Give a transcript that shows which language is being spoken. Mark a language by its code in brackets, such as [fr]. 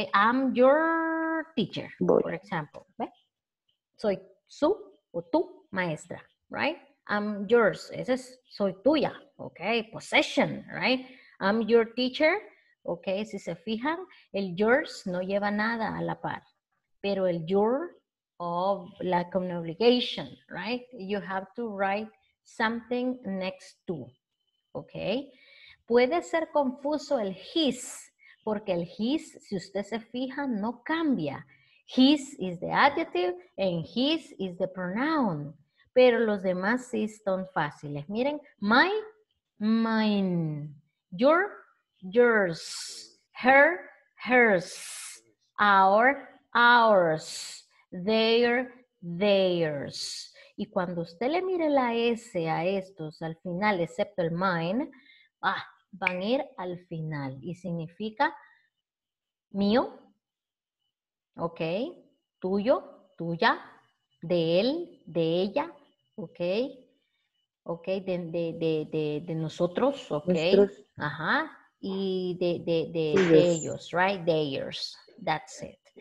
[en] I'm your teacher, for example, [es] ¿ve? Soy su o tu maestra, [en] right? I'm yours. [es] Ese es, soy tuya, [en] okay? Possession, right? I'm your teacher. [es] Ok, si se fijan, el yours no lleva nada a la par. Pero el [en] your of like an obligation, right? You have to write something next to. Ok. [es] Puede ser confuso el his, porque el his, si usted se fija, no cambia. [en] His is the adjective and his is the pronoun. [es] Pero los demás sí son fáciles. Miren, my, mine. [en] Your, yours. Her, hers. Our, ours. Their, theirs. [es] Y cuando usted le mire la S a estos al final, excepto el mine, ah, van a ir al final. Y significa mío, ok, tuyo, tuya, de él, de ella, ok, ok, de nosotros, ok, nuestros. Ajá, y de ellos, right, theirs, [en] that's it.